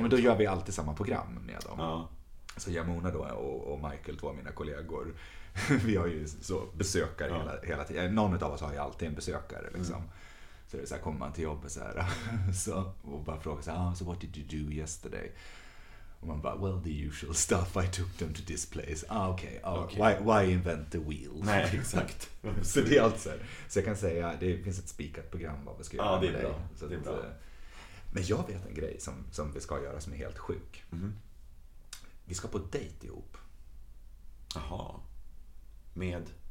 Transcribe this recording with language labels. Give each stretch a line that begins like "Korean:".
Swedish: Men då gör vi alltid samma program med dem. Ja. Så Jamona då och Michael, två av mina kollegor, vi har ju så besökare hela tiden. Någon av oss har ju alltid en besökare liksom. Mm. Så det är så här, kommer man till jobbet så här, så, och bara frågar så här,
English: what did you do yesterday?
Swedish: Och man bara,
English: well, the usual stuff, I took them to this place. Why invent the wheel?
Swedish: Nej, exakt. Så det är allt så här. Så jag kan säga, det finns ett spikat program vad vi ska göra. Ja, det är bra. Så att, det är bra. Men jag vet en grej som vi ska göra som är helt sjuk. Mm-hmm. Vi ska på dejt ihop. Jaha. Med?